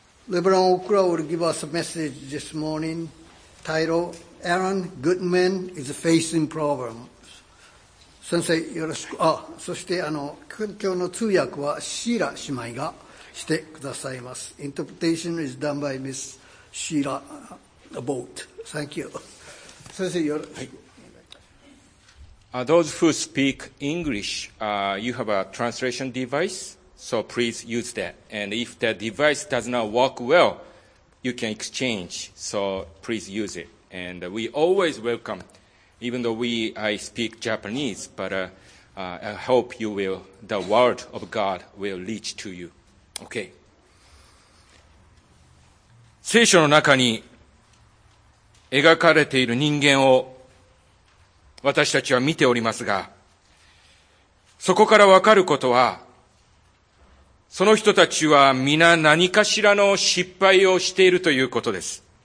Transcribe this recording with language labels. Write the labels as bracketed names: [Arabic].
[English] レブロン・オクラ will give us a message this morning titled Aaron Goodman is facing problems. [Japanese] 先生よろしく。そして今日の通訳はシーラ姉妹がしてくださいます。 [English] Interpretation is done by Miss Sheila Abbott. Thank you. [Japanese] 先生よろしく。 [English] Those who speak English, you have a translation device, so please use that. And if that device does not work well, you can exchange, so please use it. And we always welcome, even though I speak Japanese, but I hope the word of God will reach to you. Okay. [Japanese] 聖書の中に描かれている人間を私たちは見ておりますが、そこからわかることは、その人たちは皆何かしらの失敗をしているということです。